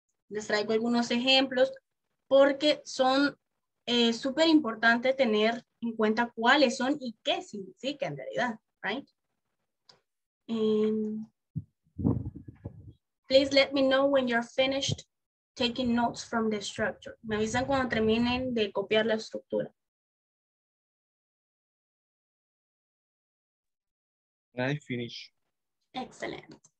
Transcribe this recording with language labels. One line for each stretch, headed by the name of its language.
Spanish: Les traigo algunos ejemplos porque son súper importante tener en cuenta cuáles son y qué significa en realidad,
English: right? Please let me know when you're finished taking notes from the structure.
Spanish: Me avisan cuando terminen de copiar la estructura.
English: I finish. Excellent.